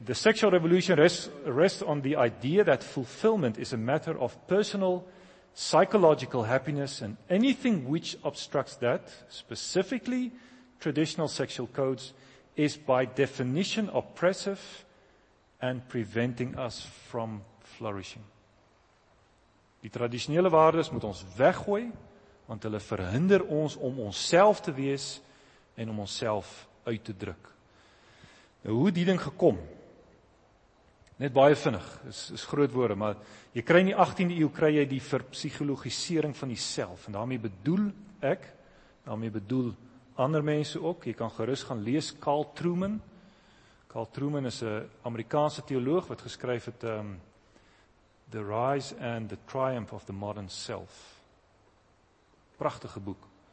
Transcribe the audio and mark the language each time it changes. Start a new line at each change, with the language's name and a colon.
English: The sexual revolution rests on the idea that fulfillment is a matter of personal psychological happiness and anything which obstructs that, specifically traditional sexual codes, is by definition oppressive and preventing us from flourishing.
Afrikaans: Die traditionele waardes moet ons weggooi, want hulle verhinder ons om onszelf te wees en om onszelf uit te druk. Nou, hoe die ding gekom? Net baie vinnig, is groot woorde, maar jy kry in die 18e eeuw, kry jy die verpsychologisering van die self, en daarmee bedoel ander mense ook, jy kan gerust gaan lees Carl Truman. Carl Truman is 'n Amerikaanse theoloog wat geskryf het The Rise and the Triumph of the Modern Self. Prachtige boek.